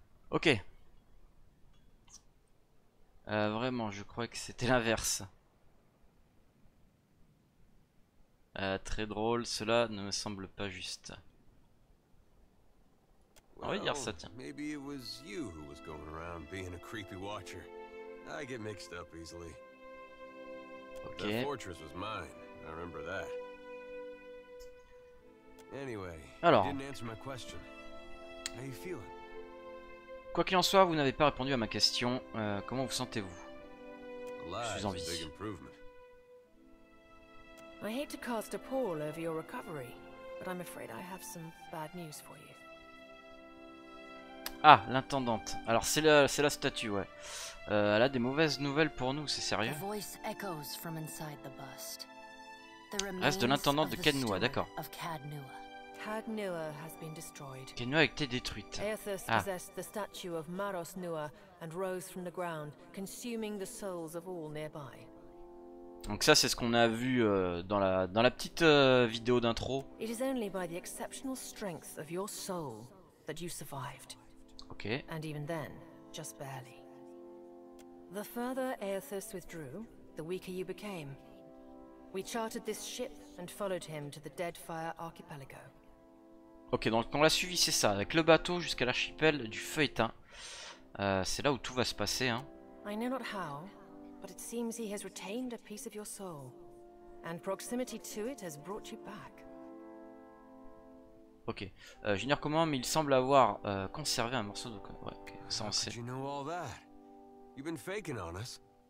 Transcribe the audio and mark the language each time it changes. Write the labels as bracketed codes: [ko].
[fr] Ok. Vraiment, je croyais que c'était l'inverse. Très drôle, cela ne me semble pas juste. On va dire ça, tiens. [en] Maybe it was you who was going around being a creepy watcher. I get mixed up easily. Ok. That fortress was mine. I remember that. Anyway, [fr] alors. [en] You didn't answer my question. How you feeling? [fr] Quoi qu'il en soit, vous n'avez pas répondu à ma question. Comment vous sentez-vous? Je suis en vie. [en] I hate to cast a pall over your recovery, but I'm afraid I have some bad news for you. [fr] Ah, l'intendante. Alors c'est la statue, ouais. Elle a des mauvaises nouvelles pour nous, c'est sérieux? [en] The voice echoes from inside the bust. The remains [fr] reste de l'intendante de Cadnua, d'accord. [en] Cadnua has been destroyed. [fr] Cadnua a été détruite. [en] Aethys possessed the statue of Maros Nua and rose from the ground, consuming the souls of all nearby. [fr] Donc ça, c'est ce qu'on a vu dans la petite vidéo d'intro. [en] It is only by the exceptional strength of your soul that you survived. Okay. And even then, just barely. The further Aethys withdrew, the weaker you became. We chartered this ship and followed him to the Deadfire Archipelago. [fr] Ok, donc on l'a suivi, c'est ça, avec le bateau jusqu'à l'archipel du feu éteint. C'est là où tout va se passer, hein. [en] I know not how, but it seems he has retained a piece of your soul, and proximity to it has brought you back. [fr] Ok, j'ignore comment, mais il semble avoir conservé un morceau de. Ouais, okay. Ça on sait. [en] You know all that? You've been faking on us.